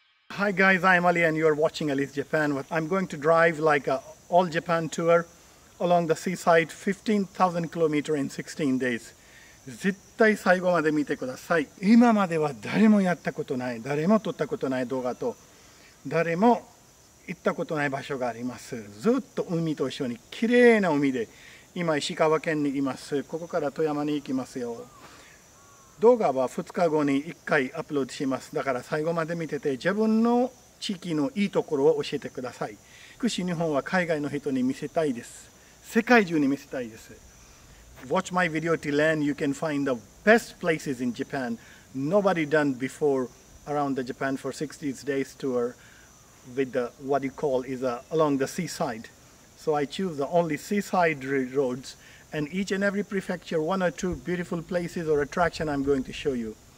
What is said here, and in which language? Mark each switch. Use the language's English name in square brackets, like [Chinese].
[English] Hi guys, I'm Ali and you're watching Ali's Japan. I'm going to drive like a all Japan tour along the seaside 15,000 km in 16 days. [Japanese] 絶対最後まで見てください。今までは誰もやったことない、誰も撮ったことない動画と、誰も行ったことない場所があります。ずっと海と一緒に綺麗な海で、今石川県にいます。ここから富山に行きますよ。動画は2日後に1回アップロードします。だから最後まで見てて、自分の地域のいいところを教えてください。福祉日本は海外の人に見せたいです。世界中に見せたいです。 [English] Watch my video to learn you can find the best places in Japan. Nobody done before around the Japan for 60 days tour with the, what you call is a, along the seaside. So I choose the only seaside roads. And each and every prefecture, one or two beautiful places or attraction I'm going to show you.